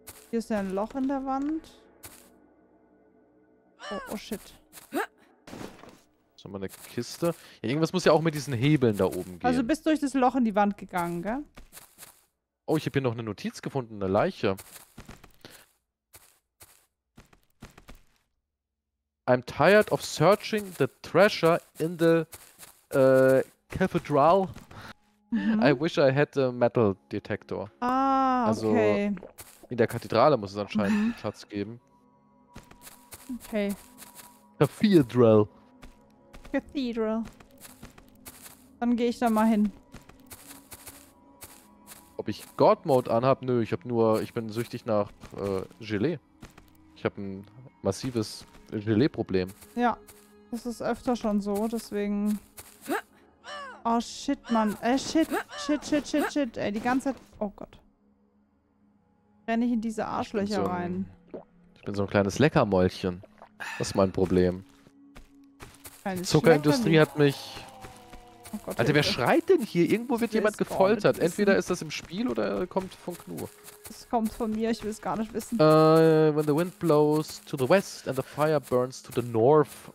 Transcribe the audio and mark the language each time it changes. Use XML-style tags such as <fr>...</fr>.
<de>Hier ist ja ein Loch in der Wand. Oh shit. Das ist mal eine Kiste. Ja, irgendwas muss ja auch mit diesen Hebeln da oben gehen. Also du bist durch das Loch in die Wand gegangen, gell? Oh, ich habe hier noch eine Notiz gefunden, eine Leiche.</de> <en>I'm tired of searching the treasure in the cathedral. Mhm. I wish I had a metal detector. Ah, okay.</en> <de>Also in der Kathedrale muss es anscheinend einen Schatz geben. Okay.</de> <en>Cathedral.</en> <de>Cathedral. Dann gehe ich da mal hin. Ob ich God Mode anhab? Nö, ich hab nur. Ich bin süchtig nach Gelee. Ich hab ein massives Gelee-Problem. Ja, das ist öfter schon so, deswegen. Oh shit, Mann. Shit. Ey, die ganze Zeit. Oh Gott. Renn ich in diese Arschlöcher rein. Ich bin so ein kleines Leckermäulchen. Das ist mein Problem. Die Zuckerindustrie hat mich. Oh Gott, Alter, wer schreit denn hier? Irgendwo wird jemand gefoltert. Entweder ist das im Spiel oder kommt von Knur. Es kommt von mir, ich will es gar nicht wissen.</de> <en>When the wind blows to the west and the fire burns to the north.</en>